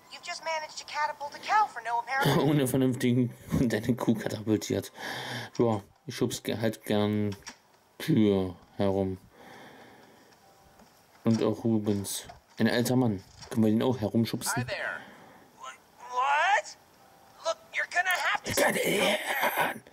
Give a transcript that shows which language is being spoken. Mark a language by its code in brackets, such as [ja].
[en] You've just managed to catapult a cow for no apparent reason. [de] Ohne vernünftigen und deine Kuh katapultiert. Ja, ich schub's halt gern Kühe herum. Und auch Rubens. Ein alter Mann. Können wir den auch herumschubsen? [en] Hi there. What? Look, you're gonna have to...